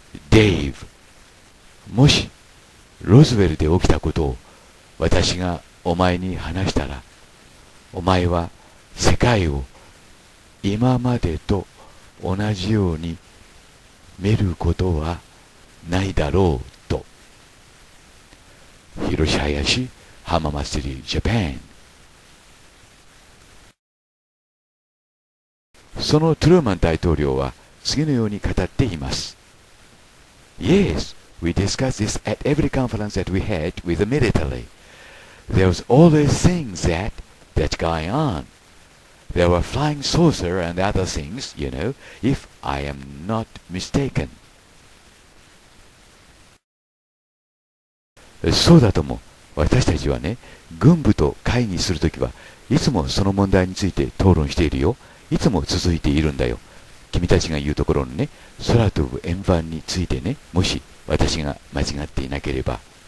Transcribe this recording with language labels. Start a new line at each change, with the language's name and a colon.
Japanese: デイブ、もしロズウェルで起きたことを私がお前に話したら、お前は世界を今までと同じように見ることはないだろうと。広瀬林、浜松リージャパン。そのトゥルーマン大統領は次のように語っています。
English: Yes, we discussed this at every conference that we had with the military. There was always things that's going on. There were flying saucer and other things, you know, if I am not mistaken.
Japanese: そうだとも、私たちはね、軍部と会議するときはいつもその問題について討論しているよ。いつも続いているんだよ。君たちが言うところのね、空飛ぶ円盤についてね、もし私が間違っていなければ。